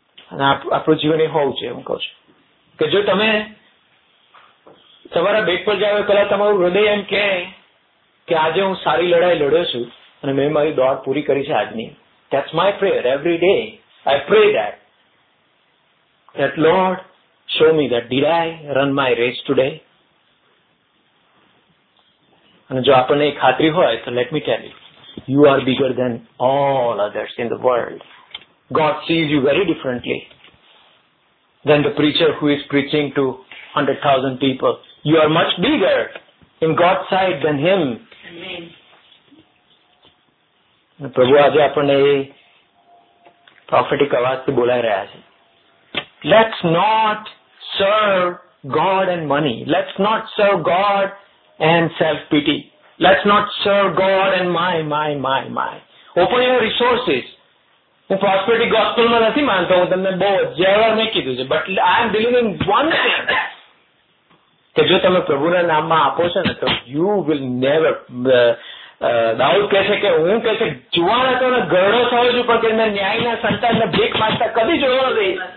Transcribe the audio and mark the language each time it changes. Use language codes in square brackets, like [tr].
[gu] અને આપણું જીવન એ હોવું છે, એમ કહું છું કે જો તમે તમારા બેડ પર જાઓ પહેલા તમારું હૃદય એમ કહે કે આજે હું સારી લડાઈ લડ્યો છું અને મેં મારી દોડ પૂરી કરી છે આજની, [en] That's my prayer every day. I pray that that lord show me that did I run my race today. [gu] અને જો આપણને એ ખાતરી હોય તો [en] let me tell you, you are bigger than all others in the world. God sees you very differently than the preacher who is preaching to 100,000 people. You are much bigger in God's sight than him. Amen. [gu] પ્રભુ આજે આપણને એ પ્રોફેટિક અવાજથી બોલાઈ રહ્યા છે. [en] Let's not serve God and money. Let's not serve God and self-pity. Let's not serve God and my. Open your resources. [gu] હું પ્રોસ્પરિટી ગોસ્પેલમાં નથી માનતો, હું તમને બહુ જેવર મેં કીધું છે, [en] but I am believing one thing [gu] કે જો તમે પ્રભુના નામમાં આપો છો ને તો [en] You will never. [gu] દાઉદ કહે છે કે હું કહે છે જુવાન હતો અને ગરડો થયો છું, પણ તેમને ન્યાયના સંતાનને ભીખ માંગતા કદી જોયો નથી.